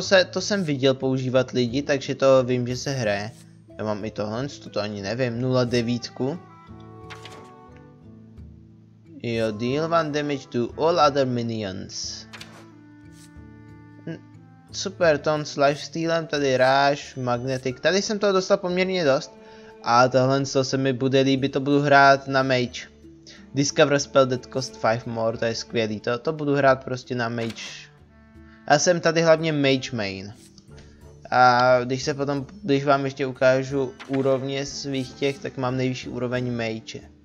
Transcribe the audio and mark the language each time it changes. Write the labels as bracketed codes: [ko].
[cs] To jsem viděl používat lidi, takže to vím, že se hraje. Já mám i tohle, to ani nevím, 0-9. [en] Jo, deal 1 damage to all other minions. [cs] Super, tom s lifestealem, tady Rush, Magnetic, tady jsem toho dostal poměrně dost. A tohle co se mi bude líbit, to budu hrát na mage. [en] Discover spell that cost 5 more, [cs] to je skvělý, to budu hrát prostě na mage. Já jsem tady hlavně mage main. A když se potom, když vám ještě ukážu úrovně svých těch, tak mám nejvyšší úroveň mage.